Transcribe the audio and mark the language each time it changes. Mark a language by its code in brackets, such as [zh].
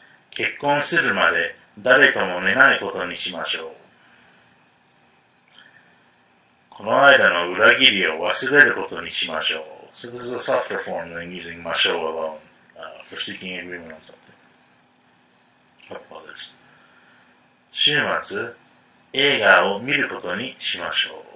[ja] 結婚するまで誰とも寝ないことにしましょう。この間の裏切りを忘れることにしましょう。 [en] So this is a softer form than using ましょう alone、for seeking agreement on something. Couple others. [ja] 週末、映画を見ることにしましょう。